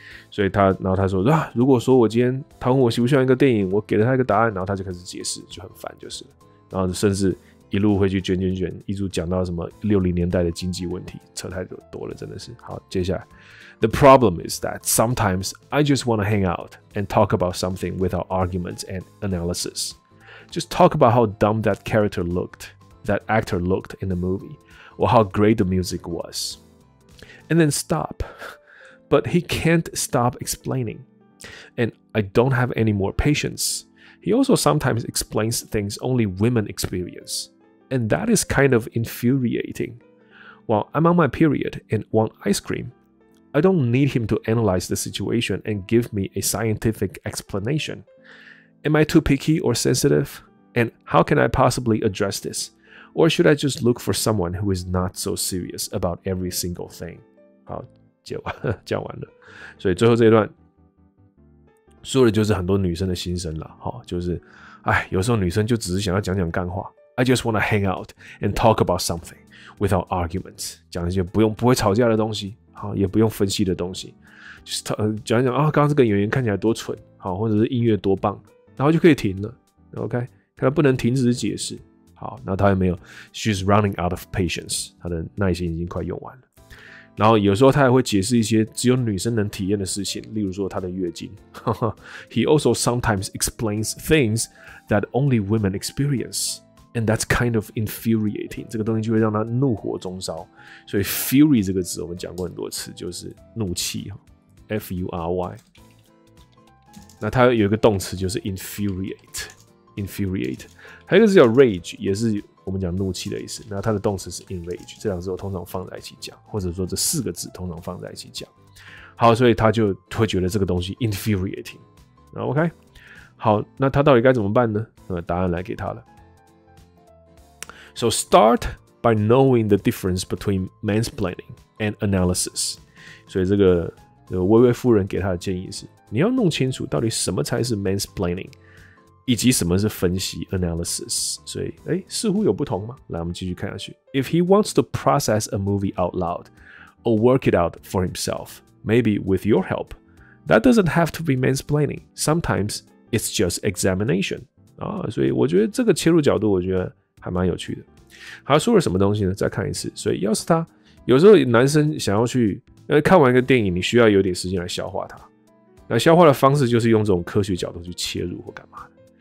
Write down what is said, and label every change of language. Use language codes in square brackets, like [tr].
[zh] 所以他然后他说、如果说我今天他问我喜不喜欢一个电影，我给了他一个答案，然后他就开始解释，就很烦就是了。然后甚至一路会去卷卷卷一直讲到什么60年代的经济问题，扯太多了真的是。好，接下来。 [en] The problem is that sometimes I just want to hang out and talk about something without arguments and analysis. Just talk about how dumb that character looked, that actor looked in the movie, or how great the music was. And then stop. But he can't stop explaining. And I don't have any more patience. He also sometimes explains things only women experience. And that is kind of infuriating. While I'm on my period and want ice cream, I don't need him to analyze the situation and give me a scientific explanation. Am I too picky or sensitive? And how can I possibly address this? Or should I just look for someone who is not so serious about every single thing? [zh] 好，讲完了。所以最后这一段说的就是很多女生的心声了。就是，哎，有时候女生就只是想要讲讲干话。 [en] I just want to hang out and talk about something without arguments. [zh] 讲一些不会吵架的东西，好，也不用分析的东西。 Just 讲一讲啊，刚刚这个演员看起来多蠢，好，或者是音乐多棒，然后就可以停了。 OK。 他不能停止解释。好，那他也没有。 [en] She's running out of patience. [zh] 他的耐心已经快用完了。然后有时候他也会解释一些只有女生能体验的事情，例如说他的月经。 [en] He also sometimes explains things that only women experience. And that's kind of infuriating. [zh] 这个东西就会让他怒火中烧。所以 fury 这个字我们讲过很多次，就是怒气。F-U-R-Y。那它有一个动词就是 infuriate， infuriate， 还有一个是叫 rage， 也是我们讲怒气的意思。那它的动词是 enrage， 这两个字我通常放在一起讲，或者说这四个字通常放在一起讲。好，所以他就会觉得这个东西 infuriating。 OK， 好，那他到底该怎么办呢？答案来给他了。 [en] So start by knowing the difference between mansplaining and analysis。 [zh] 所以这个薇薇夫人给他的建议是，你要弄清楚到底什么才是 mansplaining， 以及什么是分析 analysis。所以，似乎有不同吗？来，我们继续看下去。 [en] If he wants to process a movie out loud or work it out for himself, maybe with your help. That doesn't have to be mansplaining. Sometimes it's just examination. [zh] 所以我觉得这个切入角度我觉得还蛮有趣的。他说了什么东西呢？再看一次。所以要是他有时候男生想要去看完一个电影，你需要有点时间来消化它。那消化的方式就是用这种科学角度去切入或干嘛的。